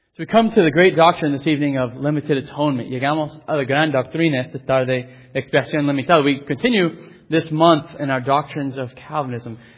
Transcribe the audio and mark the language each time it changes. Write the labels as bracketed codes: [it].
[en] We come to the great doctrine this evening of limited atonement. [es] Llegamos a la gran doctrina esta tarde de expiación limitada. [en] We continue this month in our doctrines of Calvinism.